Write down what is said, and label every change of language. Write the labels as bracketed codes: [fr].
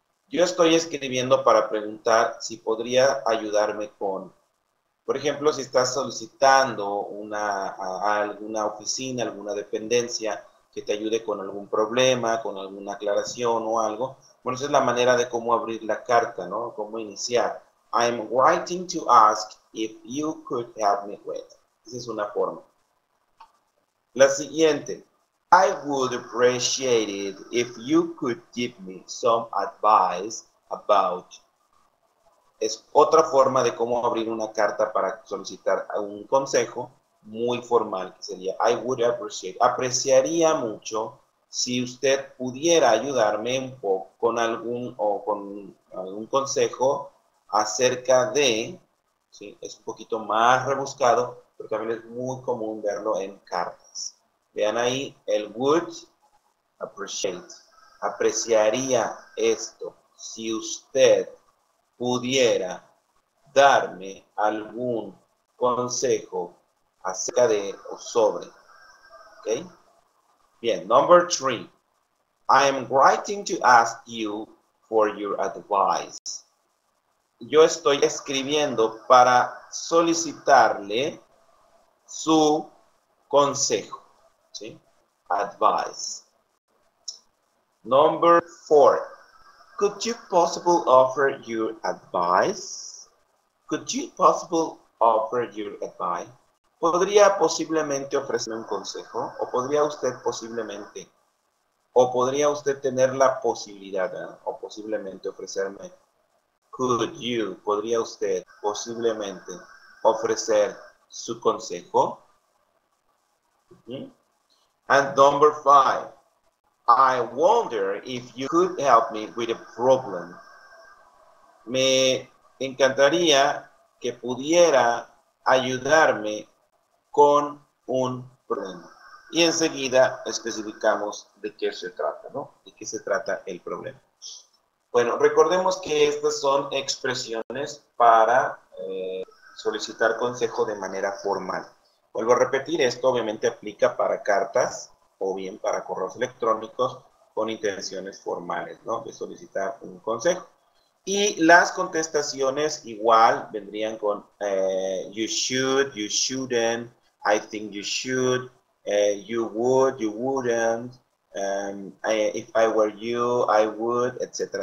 [es] Yo estoy escribiendo para preguntar si podría ayudarme con. Por ejemplo, si estás solicitando alguna oficina, alguna dependencia que te ayude con algún problema, con alguna aclaración o algo. Bueno, esa es la manera de cómo abrir la carta, ¿no? Cómo iniciar. [en] I'm writing to ask if you could help me with. [es] Esa es una forma. La siguiente. [en] I would appreciate it if you could give me some advice about. [es] Es otra forma de cómo abrir una carta para solicitar un consejo muy formal, que sería [en] I would appreciate. [es] Apreciaría mucho si usted pudiera ayudarme un poco con algún o con algún consejo acerca de, ¿sí? Es un poquito más rebuscado, pero también es muy común verlo en cartas. Vean ahí el [en] would appreciate. [es] Apreciaría esto si usted pudiera darme algún consejo acerca de o sobre. [en] ¿Ok? Bien, number three. I am writing to ask you for your advice. [es] Yo estoy escribiendo para solicitarle su consejo. ¿Sí? Advice. [en] Number four. Could you possibly offer your advice? Could you possibly offer your advice? [es] ¿Podría posiblemente ofrecerme un consejo? ¿O podría usted posiblemente? ¿O podría usted tener la posibilidad? ¿O posiblemente ofrecerme? [en] Could you, [es] ¿podría usted posiblemente ofrecer su consejo? [en] And number five. I wonder if you could help me with a problem. [es] Me encantaría que pudiera ayudarme con un problema. Y enseguida especificamos de qué se trata, ¿no? De qué se trata el problema. Bueno, recordemos que estas son expresiones para solicitar consejo de manera formal. Vuelvo a repetir, esto obviamente aplica para cartas o bien para correos electrónicos con intenciones formales, ¿no? De solicitar un consejo. Y las contestaciones igual vendrían con [en] you should, you shouldn't, I think you should, you would, you wouldn't, if I were you, I would, [es] etc.